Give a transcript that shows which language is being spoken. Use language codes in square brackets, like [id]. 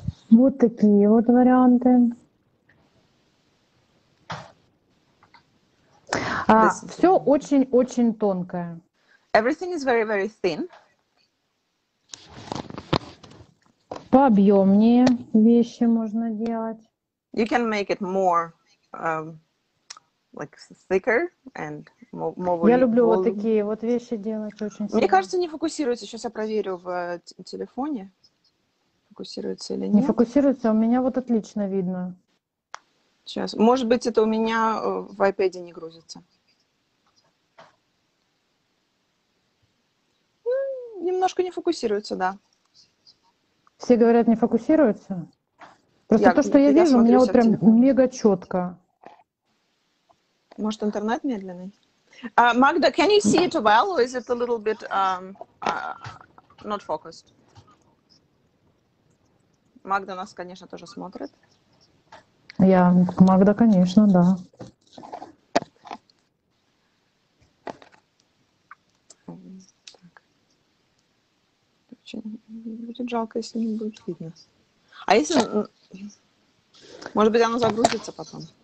[ru] Вот такие вот варианты. Все очень-очень тонкое. [en] Everything is very, very thin. [ru] Пообъемнее вещи можно делать. [en] You can make it more, like thicker and more volume. [ru] Я люблю вот такие вот вещи делать очень сильно. Мне кажется, не фокусируется. Сейчас я проверю в телефоне, фокусируется или нет. Не фокусируется, у меня вот отлично видно. Сейчас. Может быть, это у меня в iPad не грузится. Немножко не фокусируется, да. Все говорят, не фокусируется. Просто я, то, что я вижу, у меня вот прям мега четко. Может, интернет медленный? [en] Magda, can you see it well, or is it a little bit not focused? [ru] Magda нас, конечно, тоже смотрит. Я, Magda, конечно, да. Будет жалко, если не будет видно. А если... Может быть, оно загрузится потом?